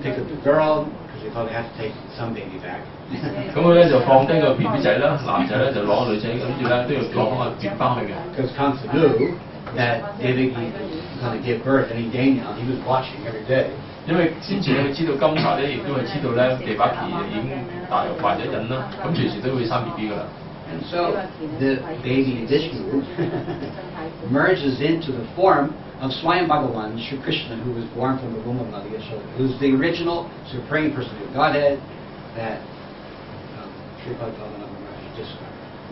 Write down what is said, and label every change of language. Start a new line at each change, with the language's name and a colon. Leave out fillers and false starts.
English: pick up the girl because he thought they had to take some baby back.
Cantonese: 咁佢咧就放低個 B B 仔啦，男仔咧就攞個女仔，跟住咧都要攞翻個B B翻去嘅。
English: Because Kamsa knew that Devaki gonna give birth and he gained now, he was watching every day.
Cantonese: 因為先前佢知道金沙咧，亦都係知道咧，地巴奇已經大懷咗孕啦，咁隨時都會生 B B 噶啦。
English: And so the baby Vishnu merges into the form of Swayam Bhagavan Sri Krishna, who was born from the womb of Mother Yashoda, who's the original Supreme Personality of Godhead that Sri Padmanabha described.